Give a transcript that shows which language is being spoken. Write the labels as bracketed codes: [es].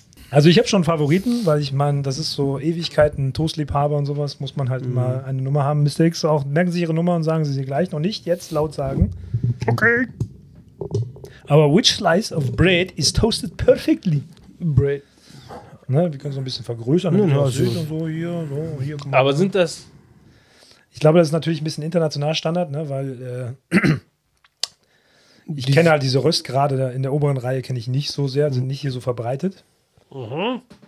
[de] Also ich habe schon Favoriten, weil ich meine, das ist so Ewigkeiten, Toastliebhaber und sowas, muss man halt immer eine Nummer haben. Mr. X auch, merken Sie Ihre Nummer und sagen Sie sie gleich, noch nicht jetzt laut sagen. Okay. Aber [en] which slice of bread is toasted perfectly? Bread. [de] Ne, wir können so ein bisschen vergrößern. Ja, so hier. Guck mal. Aber sind das... Ich glaube, das ist natürlich ein bisschen international Standard, ne, weil... ich kenne halt diese Röstgrade da in der oberen Reihe kenne ich nicht so sehr, sind nicht hier so verbreitet. Mhm.